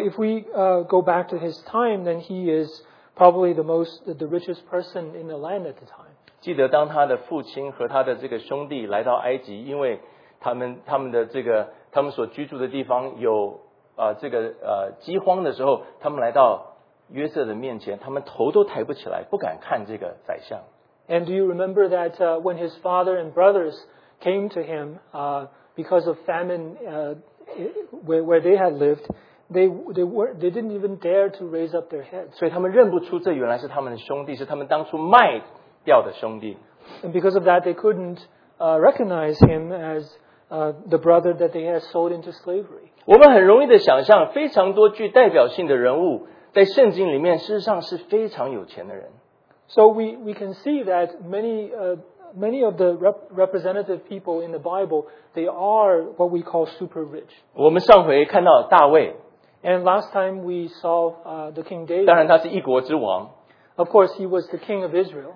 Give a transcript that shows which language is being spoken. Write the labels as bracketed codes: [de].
[en] if we go back to his time, then he is probably the richest person in the land at the time. [zh] 记得当他的父亲和他的这个兄弟来到埃及，因为 他们所居住的地方有饥荒的时候，他们来到约瑟的面前，他们头都抬不起来，不敢看这个宰相。 [en] And do you remember that when his father and brothers came to him because of famine where they had lived, they didn't even dare to raise up their heads. [zh] 所以他们认不出这原来是他们的兄弟，是他们当初卖掉的兄弟。 [en] And because of that, they couldn't recognize him as the brother that they had sold into slavery. [zh] 我们很容易的想象, 非常多具代表性的人物, 在圣经里面, 事实上是非常有钱的人。 [en] So we can see that many of the representative people in the Bible, they are what we call super rich. [zh] 我们上回看到大卫, [en] and last time we saw the King David. [zh] 当然他是一国之王, [en] of course, he was the king of Israel.